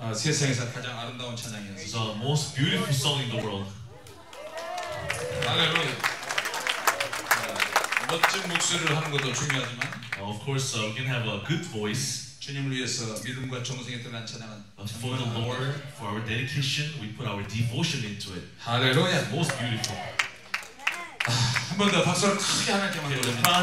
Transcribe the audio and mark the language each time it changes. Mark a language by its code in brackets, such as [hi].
[ko] 아 세상에서 가장 아름다운 찬양이었어. [en] The most beautiful song in the world. Hallelujah. [ko] 멋진 목소리를 하는 것도 중요하지만. [en] Of course, we can have a good voice. [ko] 주님을 위해서 믿음과 정성에 드러난 찬양은 [en] For the Lord, for our dedication, we put our devotion into it. Hallelujah. It's most beautiful. [ko] 한 번 더 박수를 크게 하나님께 만들어드립니다.